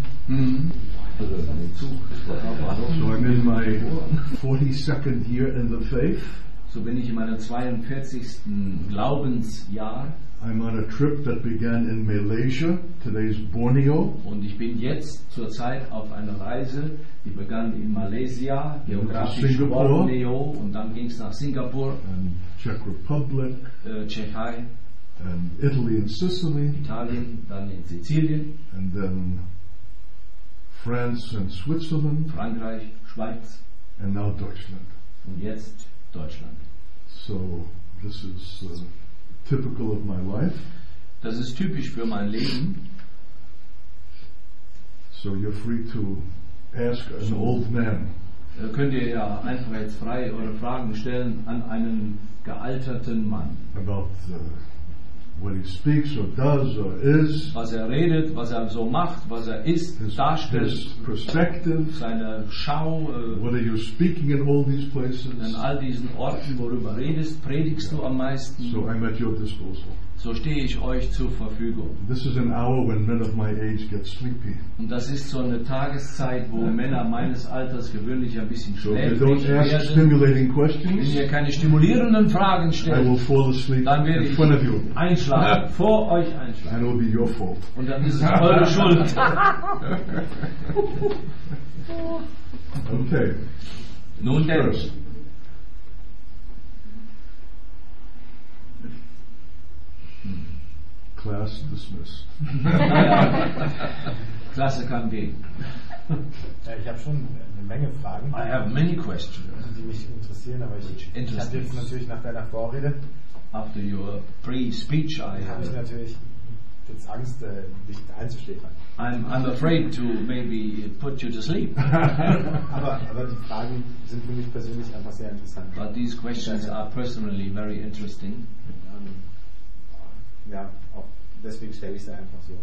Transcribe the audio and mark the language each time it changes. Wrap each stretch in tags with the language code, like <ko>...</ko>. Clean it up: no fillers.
<en>So I'm in my 42nd year in the faith.</en> <de>So bin ich in meinem 42. Glaubensjahr.</de> <en>I'm on a trip that began in Malaysia. Today's Borneo.</en> <de>Und ich bin jetzt zurzeit auf einer Reise, die begann in Malaysia, geografisch Borneo, und dann ging es nach Singapur,</de> <en>and Czech Republic,</en> <de>Tschechei,</de> <en>and Italy and Sicily,</en> <de>Italien, dann in Sizilien,</de> <en>and then France and Switzerland,</en> <de>Frankreich, Schweiz,</de> <en>and now Deutschland.</en> <de>Und jetzt Deutschland.</de> <en>So this is typical of my life.</en> <de>Das ist typisch für mein Leben.</de> <en>So you're free to ask an old man.</en> <de>Könnt ihr ja einfach jetzt frei eure Fragen stellen an einen gealterten Mann.</de> <en>About what he speaks or does or is.</en> <de>Was er redet, was er so macht, was er ist,</de> <en>his,</en> <de>darstellt.</de> <en>His perspective.</en> <de>Seine Schau.</de> <en>What are you speaking in all these places?</en> <de>An all diesen Orten, worüber redest, predigst du am meisten.</de> <en>So I'm at your disposal.</en> <de>So stehe ich euch zur Verfügung.</de> <en>This is an hour when men of my age get sleepy.</en> <de>Und das ist so eine Tageszeit, wo Männer meines Alters gewöhnlich ein bisschen schläfrig werden.</de> <en>So if they don't ask stimulating questions,</en> <de>wenn ihr keine stimulierenden Fragen stellt,</de> <en>I will fall asleep</en> <de>dann werde</de> <en>in</en> <de>ich</de> <en>front of you.</en> <de>Einschlagen, vor euch einschlagen.</de> <en>And it will be your fault.</en> <de>Und dann ist es eure Schuld.</de> <en>Okay.</en> <de>Nun denn.</de> <en>First. Class dismissed.</en> <de>Klasse kann gehen. Ja, ich habe schon eine Menge Fragen.</de> <en>I have many questions.</en> <de>Die mich interessieren, aber ich habe jetzt natürlich nach deiner Vorrede.</de> <en>After your pre-speech, I</en> <de>habe ich natürlich jetzt Angst, dich einzuschläfern.</de> <en>I'm afraid to maybe put you to sleep.</en> <de>aber die Fragen sind für mich persönlich einfach sehr interessant.</de> <en>But these questions are personally very interesting.</en> <de>Ja, auch deswegen stelle ich sie einfach so.</de>